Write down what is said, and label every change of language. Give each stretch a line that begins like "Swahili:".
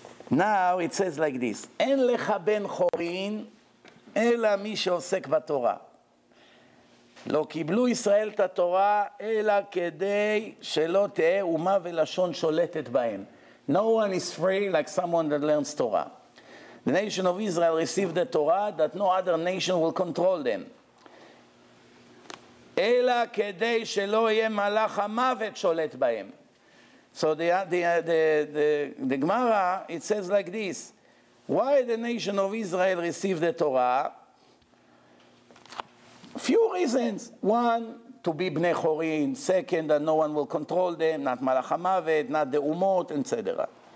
English: Now it says like this,
Hebrew: אין לך בן חורין, אלא מי שעוסק בתורה. לא קיבלו ישראל את התורה, אלא כדי שלא תהיה אומה ולשון שולטת בהם.
English: No one is free like someone that learns Torah. The nation of Israel received the Torah that no other nation will control them.
Hebrew: אלא כדי שלא יהיה מלאך המוות שולט בהם.
English: So the Gemara, it says like this. Why the nation of Israel received the Torah? Few reasons. One, to be Bnei Chorin. Second, that no one will control them, not Malach HaMavet, not the Umot, etc.